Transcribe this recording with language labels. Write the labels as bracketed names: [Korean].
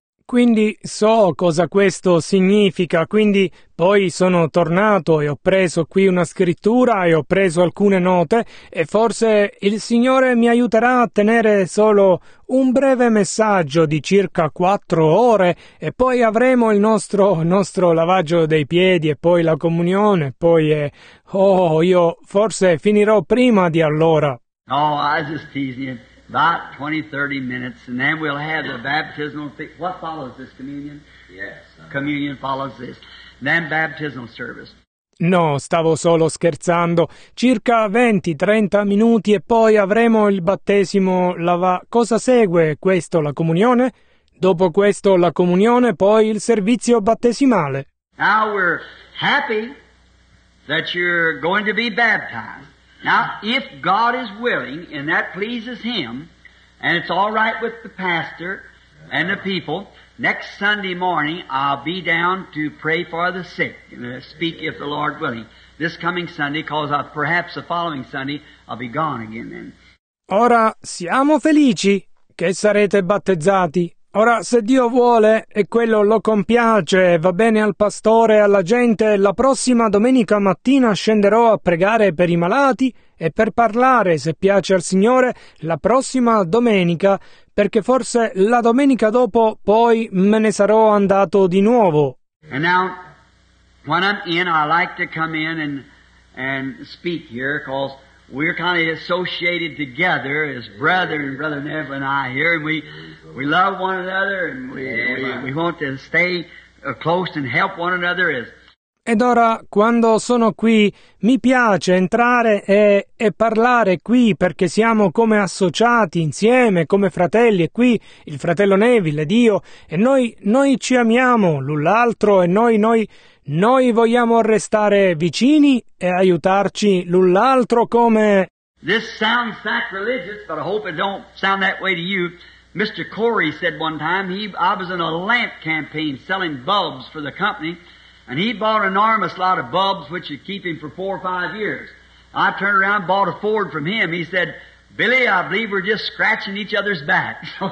[Italian] Quindi so cosa questo significa, quindi poi sono tornato e ho preso qui una scrittura e ho preso alcune note e forse il Signore mi aiuterà a tenere solo un breve messaggio di circa 4 ore e poi avremo il nostro lavaggio dei piedi e poi la comunione, poi io forse finirò prima di allora. [English] No, I just teasing you. About 20-30 minutes, and then we'll have the baptismal... What follows this, communion? Yes. Communion follows this. Then baptismal service. [Italian] No, stavo solo scherzando. Circa 20-30 minuti e poi avremo il battesimo... Cosa segue questo, la comunione? Dopo questo, la comunione, poi il servizio battesimale. [English] Now we're happy that you're going to be baptized. Now, if God is willing, and that pleases Him, and it's all right with the pastor and the people, next Sunday morning I'll be down to pray for the sick, and speak if the Lord willing. This coming Sunday, because perhaps the following Sunday, I'll be gone again then. [Italian] Ora siamo felici che sarete battezzati. Ora, se Dio vuole, e quello lo compiace, va bene al pastore e alla gente, la prossima domenica mattina scenderò a pregare per i malati e per parlare, se piace al Signore, la prossima domenica, perché forse la domenica dopo poi me ne sarò andato di nuovo. [English] And now, when I'm in, I like to come in and speak here, because we're kind of associated together as brother and brother Neville and I here, and we love one another, and we want to stay close and help one another. [Italian] Ed ora, quando sono qui, mi piace entrare e parlare qui, perché siamo come associati insieme, come fratelli, e qui il fratello Neville ed io, e noi ci amiamo l'un l'altro, e noi vogliamo restare vicini e aiutarci l'un l'altro come... [English] This sounds sacrilegious, but I hope it don't sound that way to you. Mr. Corey said one time, I was in a lamp campaign selling bulbs for the company, and he bought an enormous lot of bulbs which would keep him for 4 or 5 years. I turned around and bought a Ford from him. He said, Billy, I believe we're just scratching each other's back.